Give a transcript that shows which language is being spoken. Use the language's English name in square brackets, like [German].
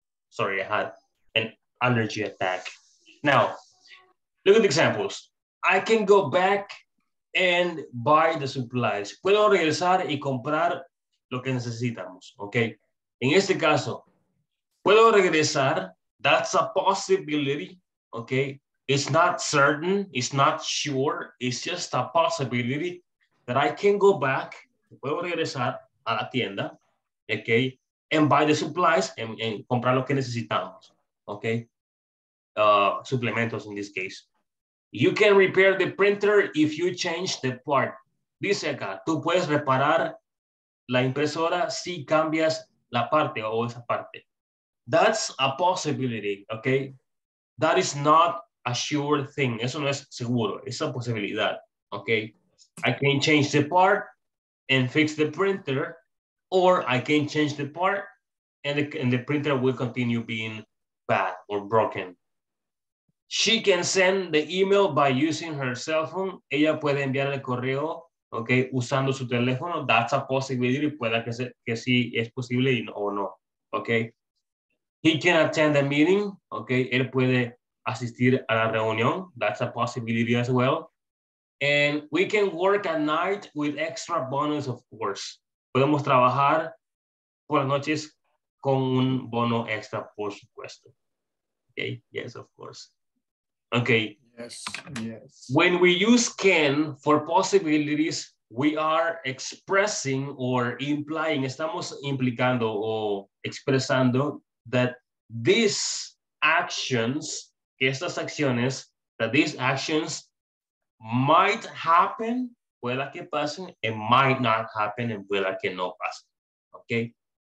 [English] Sorry, I had an allergy attack. Now, look at the examples. I can go back and buy the supplies. [Spanish] Puedo regresar y comprar lo que necesitamos, okay? En este caso, puedo regresar. [English] That's a possibility, okay? It's not certain, it's not sure, it's just a possibility that I can go back, [Spanish] puedo regresar a la tienda, [English] okay? And buy the supplies and [Spanish] comprar lo que necesitamos, [English] okay? Suplementos in this case. You can repair the printer if you change the part. [Spanish] Dice acá, tú puedes reparar la impresora si cambias la parte o esa parte. [English] That's a possibility, okay? That is not a sure thing. [Spanish] Eso no es seguro, es una posibilidad, okay? [English] I can change the part and fix the printer, or I can change the part and the printer will continue being bad or broken. She can send the email by using her cell phone. [Spanish] Ella puede enviar el correo, okay, usando su teléfono. [English] That's a possibility. [Spanish] Puede que sí es posible o no, okay? [English] He can attend the meeting, okay? [Spanish] Él puede asistir a la reunión. [English] That's a possibility as well. And we can work at night with extra bonus, of course. [Spanish] Podemos trabajar por las noches con un bono extra, por supuesto. [English] Okay, yes, of course. Okay. Yes, yes. When we use can for possibilities, we are expressing or implying, [Spanish] estamos implicando o expresando [English] that these actions, [Spanish] que estas acciones, [English] that these actions might happen, [Spanish] pueda que pasen, [English] and might not happen, and [Spanish] pueda que no pasen. [English] Okay?